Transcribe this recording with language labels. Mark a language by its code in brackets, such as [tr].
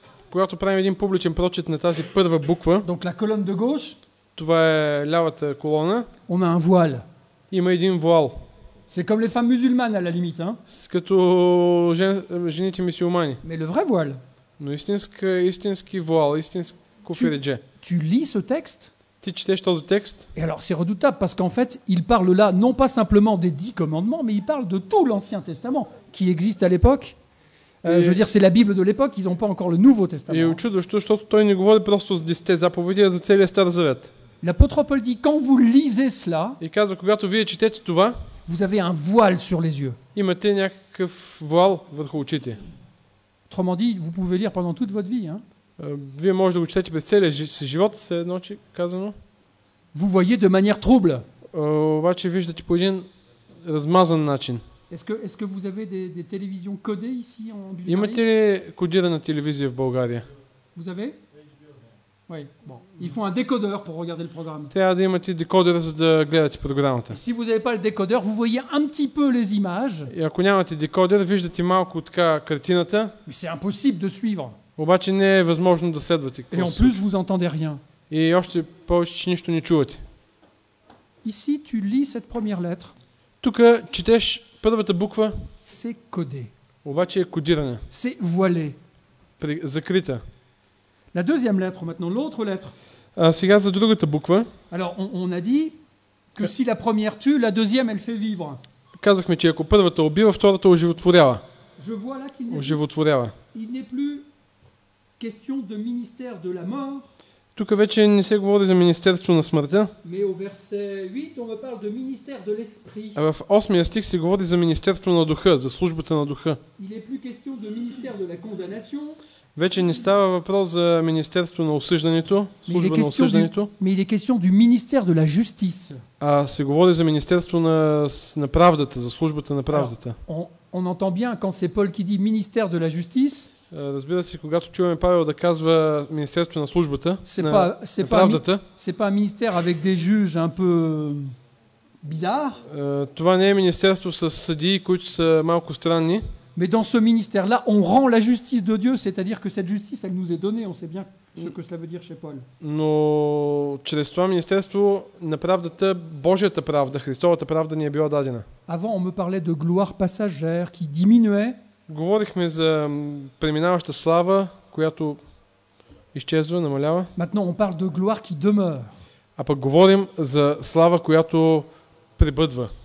[bg] Когато правим един публичен прочит на тази първа буква. [fr] Donc la colonne de gauche. [bg] Това е лявата колона. [fr] On a un voile. [bg] Има един воал. [fr] C'est comme les femmes musulmanes à la limite, hein. [bg] Като жените мюсюлмани. [fr] Mais le vrai voile. [bg] Но истински воал, истинско фиридже. [fr] Tu lis ce texte? [bg] Ти четеш този текст? [fr] Et alors c'est redoutable parce qu'en fait, il parle là non pas simplement des 10 commandements, mais il parle de tout l'Ancien Testament qui existe à l'époque. Je veux dire c'est la Bible de l'époque, ils ont pas encore le Nouveau Testament. [bg] И учудващо, защото той не говори просто за 10 заповеди, а за целия Стар Завет. [fr] L'apôtre Paul dit quand vous lisez cela, Et [bg] казва, когато вие четете това, [fr] Vous avez un voile sur les yeux. [bg] Имате някакъв воал върху очите. [fr] Autrement dit, vous pouvez lire pendant toute votre vie, hein? [bg] Вие може да го четете през целия си живот, се едно че казано. [fr] Vous voyez de manière trouble. [bg] Обаче виждате по един размазан начин. [fr] Est-ce que vous avez des télévisions codées ici en Bulgarie? [bg] Имате ли кодирана телевизия в България? [fr] Vous avez? Oui, bon. Il faut un décodeur pour regarder le programme. [bg] Трябва да имате декодер, за да гледате програмата. [fr] Si vous avez pas le décodeur, vous voyez un petit peu les images. [bg] И ако нямате декодер, виждате малко така картината. [fr] Mais c'est impossible de suivre. [bg] Обаче не е възможно да следвате. [fr] Et en plus, vous entendez rien. [bg] И още повече, че нищо не чувате. [fr] Ici, tu lis cette première lettre. [bg] Тук четеш първата буква. [fr] C'est codé. [bg] Обаче е кодирана. [fr] C'est voilé. [bg] Закрита. [fr] La deuxième lettre, maintenant l'autre lettre. [bg] Сега за другата буква. [fr] Alors, on a dit que si la première tue, la deuxième elle fait vivre. [bg] Казахме, че ако първата убива, втората оживотворява. [fr] Je vois là qu'il [bg] оживотворява. [fr] Il n'est plus question de ministère de la mort. [bg] Тук вече не се говори за министерство на смъртта. [fr] Mais au verset 8, on me parle de ministère de l'esprit. [bg] А в 8-я стих се говори за министерство на духа, за службата на духа. [fr] Il est plus question de ministère de la condamnation. [bg] Вече не става въпрос за министерство на осъждането, служба на осъждането. [fr] Mais il est question du ministère de la justice. [bg] А се говори за министерство на правдата, за службата на правдата. [fr] Alors, on entend bien quand c'est Paul qui dit ministère de la justice. [bg] Разбира се, когато чуваме Павел да казва министерство на службата, [fr] c'est [bg] на правдата. [fr] C'est pas un ministère avec des juges un peu bizarre. [bg] Това не е министерство с съдии, които са малко странни. [fr] Mais dans ce ministère-là, on rend la justice de Dieu, c'est-à-dire que cette justice, elle nous est donnée, on sait bien ce que cela veut dire chez Paul. [bg] Но чрез това министерство на правдата, Божията правда, Христовата правда ни е била дадена. [fr] Avant, on me parlait de gloire passagère qui diminuait. [bg] Говорихме за преминаваща слава, която изчезва, намалява. [fr] Maintenant, on parle de gloire qui demeure. [bg] А пък говорим за слава, която прибъдва.